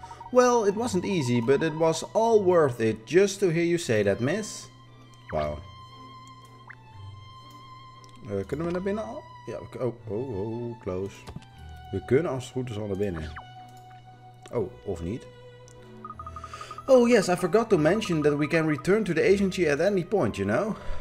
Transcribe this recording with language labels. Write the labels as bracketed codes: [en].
[en] Well, it wasn't easy, but it was all worth it just to hear you say that, miss. Wow. [nl] Kunnen we naar binnen al? Ja, close. We kunnen als het goed is al naar binnen. Oh, of niet? [en] Oh yes, I forgot to mention that we can return to the agency at any point, you know?